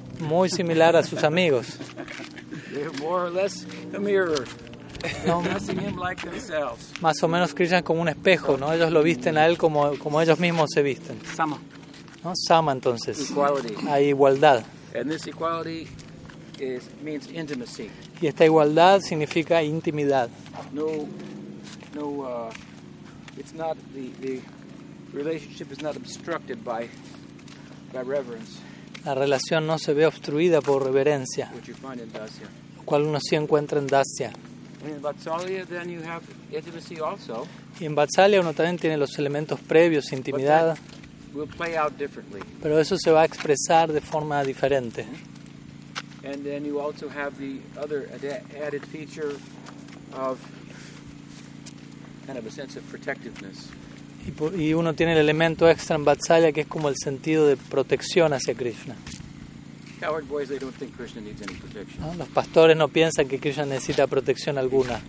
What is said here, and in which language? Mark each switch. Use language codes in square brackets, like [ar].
[es] Muy similar a sus amigos. [en] They're more or less a mirror. No. Dressing him like themselves. [es] Más o menos Krishna es como un espejo, ¿no? Ellos lo visten a él como ellos mismos se visten. [sa] Sama. [es] ¿No? Sama, entonces. [en] Equality. [es] Hay igualdad. [en] And this equality means intimacy. [es] Y esta igualdad significa intimidad. [en] No, no, it's not the relationship is not obstructed by reverence. [es] La relación no se ve obstruida por reverencia. [en] Which you find in Dasya. [es] Lo cual uno sí encuentra en Dasya. [en] And in Vatsalya, then you have intimacy also. [es] Y en Vatsalya uno también tiene los elementos previos, intimidad. [en] But that will play out differently. [es] Pero eso se va a expresar de forma diferente. [en] And then you also have the other added feature of kind of a sense of protectiveness. [es] Y uno tiene el elemento extra en Vatsalya que es como el sentido de protección hacia Krishna. [en] Coward boys, they don't think Krishna needs any protection. [es] ¿No? Los pastores no piensan que Krishna necesita protección alguna.